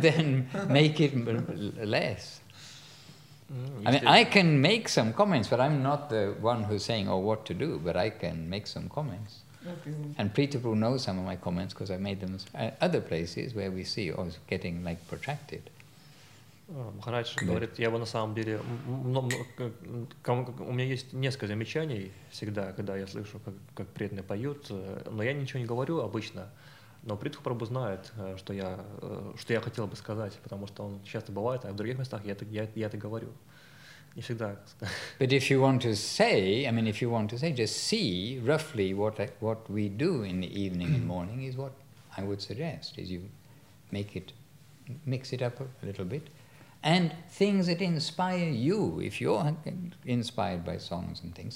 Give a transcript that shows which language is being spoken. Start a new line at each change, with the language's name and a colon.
English: then make it less. Mm, I mean, I can make some comments, but I'm not the one who's saying, oh, what to do, but I can make some comments. Okay. And Preetapu knows some of my comments because I made them at other places where we see it's getting like protracted.
Russian: Махарадж говорит, я бы на самом деле, у меня есть несколько замечаний всегда, когда я слышу, как преданные поют, но я ничего не говорю обычно, но Притхупрабху знает, что я хотел бы сказать, потому что он часто бывает, а в других местах я это говорю. Не всегда.
English: But if you want to say, just see roughly what we do in the evening and morning is what I would suggest, is you mix it up a little bit. And things that inspire you, if you're inspired by songs and things.